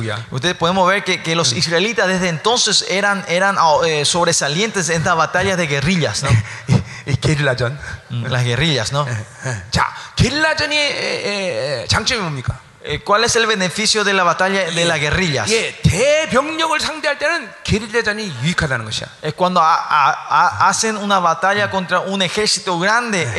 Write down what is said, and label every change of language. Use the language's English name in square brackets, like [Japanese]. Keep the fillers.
[Spanish] Ustedes podemos ver que, que los mm -hmm. israelitas desde entonces eran, eran oh, eh, sobresalientes en estas batallas de guerrillas. ¿no? [Korean] 게릴라전. [Spanish] 음, las guerrillas, ¿no? [Korean] 자, 게릴라전이 장점이 뭡니까? [Spanish] ¿Cuál es el beneficio de la batalla de las guerrillas? [Korean] 예, 대병력을 상대할 때는 게릴라전이 유익하다는 것이야. [Spanish] Es cuando a, a, a hacen una batalla 음. contra un ejército grande, 예.